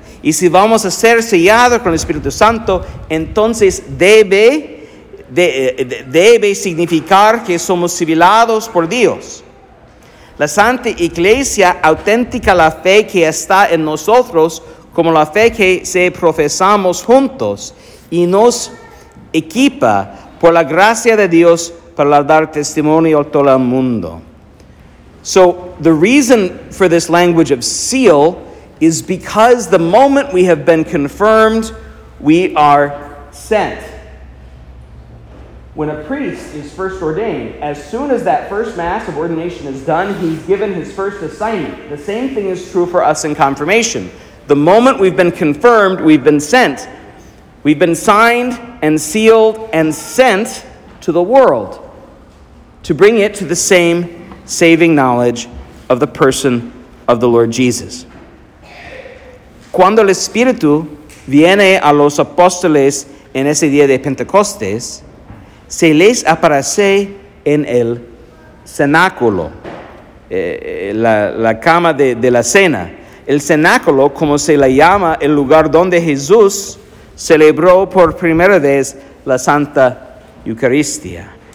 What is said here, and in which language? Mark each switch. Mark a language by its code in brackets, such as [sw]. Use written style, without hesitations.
[es] Y si vamos a ser sellados con el Espíritu Santo, entonces debe significar que somos sellados por Dios. la Santa Iglesia auténtica la fe que está en nosotros como la fe que se profesamos juntos y nos equipa por la gracia de Dios para dar testimonio a todo el mundo. [en] So the reason for this language of seal is because the moment we have been confirmed, we are sent. When a priest is first ordained, as soon as that first mass of ordination is done, he's given his first assignment. The same thing is true for us in confirmation. The moment we've been confirmed, we've been sent. We've been signed and sealed and sent to the world to bring it to the same saving knowledge of the person of the Lord Jesus. [es] Cuando el Espíritu viene a los apóstoles en ese día de Pentecostés, se les aparece en el cenáculo, la cama de la cena. El cenáculo, como se le llama, el lugar donde Jesús celebró por primera vez la Santa Eucaristía.